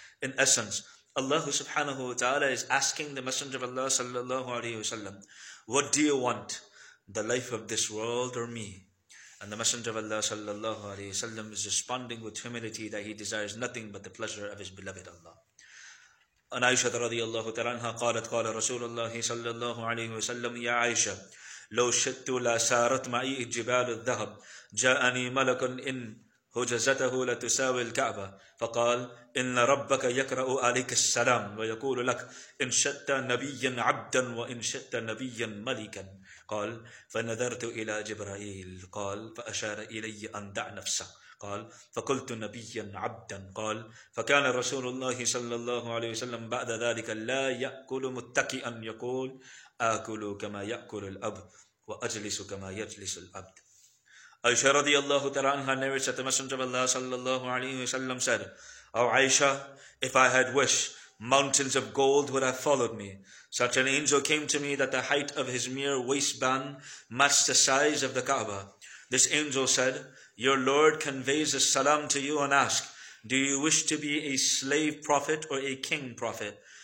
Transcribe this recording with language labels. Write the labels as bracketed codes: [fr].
[en] In essence, Allah subhanahu wa ta'ala is asking the Messenger of Allah sallallahu alayhi wa sallam, What do you want, the life of this world or me? And the Messenger of Allah sallallahu alayhi wa sallam is responding with humility that he desires nothing but the pleasure of his beloved Allah. And Aisha radiallahu ta'ala anha qalat qala Rasulullah sallallahu alayhi wa sallam, Ya Aisha, [ar] لو شئت لسارت معي جبال الذهب جاءني ملك إن هجزته لتساوي الكعبة فقال إن ربك يقرأ عليك السلام ويقول لك إن شئت نبيا عبدا وإن شئت نبيا ملكا قال فنذرت إلى جبرائيل قال فأشار إلي أن دع نفسه قال فقلت نبيا عبدا قال فكان رسول الله صلى الله عليه وسلم بعد ذلك لا يأكل متكئا يقول أَكُلُوا كَمَا يَأْكُلُ الْأَبْدُ وَأَجْلِسُ كَمَا يَجْلِسُ الْأَبْدُ. [en] Aisha radiallahu ta'ala anha narrates that the Messenger of Allah sallallahu alayhi wa sallam said, O Aisha, if I had wished, mountains of gold would have followed me. Such an angel came to me that the height of his mere waistband matched the size of the Kaaba. This angel said, Your Lord conveys a salam to you and asks, Do you wish to be a slave prophet or a king prophet?